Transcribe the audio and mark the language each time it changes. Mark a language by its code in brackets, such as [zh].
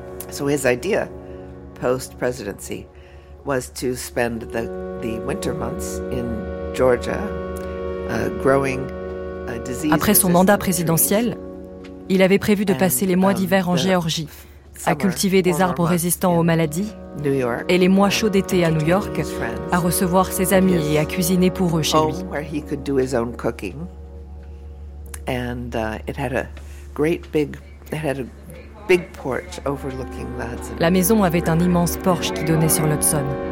[en] So his idea post-presidency was to spend the winter months in Georgia growing a disease. [fr] Après son mandat présidentiel, il avait prévu de passer les mois d'hiver en Géorgie à cultiver des arbres résistants aux maladies, et les mois chauds d'été à New York à recevoir ses amis et à cuisiner pour eux chez lui. [en] Where he could do his own cooking. And it had a great big big porch overlooking the Hudson. [fr] La maison avait un immense porche qui donnait sur l'Hudson.